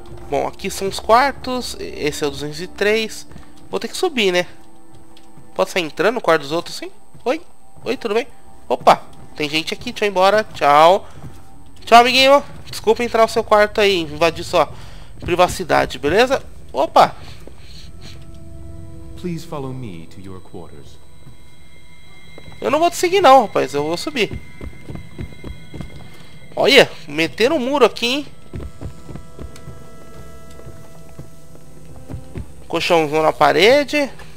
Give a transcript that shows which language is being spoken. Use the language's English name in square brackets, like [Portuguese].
[Portuguese] Bom, aqui são os quartos, esse é o 203. Vou ter que subir, né? Pode sair entrando no quarto dos outros, sim? Oi? Oi, tudo bem? Opa! Tem gente aqui, deixa eu ir embora, tchau. Tchau, amiguinho. Desculpa entrar no seu quarto aí, invadir sua privacidade, beleza? Opa! [English] Please follow me to your quarters. [Portuguese] Eu não vou te seguir não, rapaz. Eu vou subir. Olha, meteram um muro aqui, hein? Colchãozão na parede.